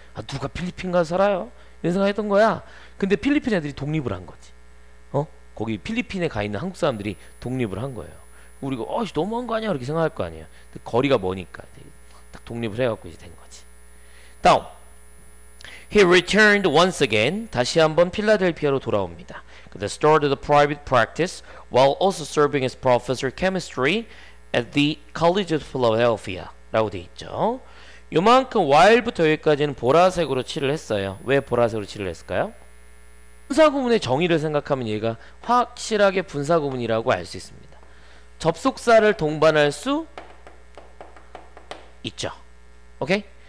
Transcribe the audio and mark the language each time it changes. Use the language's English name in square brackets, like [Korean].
[Korean] 아, 누가 필리핀 가서 살아요? 이런 생각했던 거야. 근데 필리핀 애들이 독립을 한 거지. 거기 필리핀에 가 있는 한국 사람들이 독립을 한 거예요. 우리가, 너무한 거 아니야? 이렇게 생각할 거 아니에요. 근데 거리가 머니까. 딱 독립을 해갖고 이제 된 거지. [English] 다음. He returned once again. [Korean] 다시 한번 필라델피아로 돌아옵니다. [English] They started a private practice while also serving as professor of chemistry at the College of Philadelphia. [Korean] 라고 돼 있죠. 요만큼 while부터 여기까지는 보라색으로 칠을 했어요. 왜 보라색으로 칠을 했을까요? 분사구문의 정의를 생각하면 얘가 확실하게 분사구문이라고 알수 있습니다. 접속사를 동반할 수 있죠. 오케이?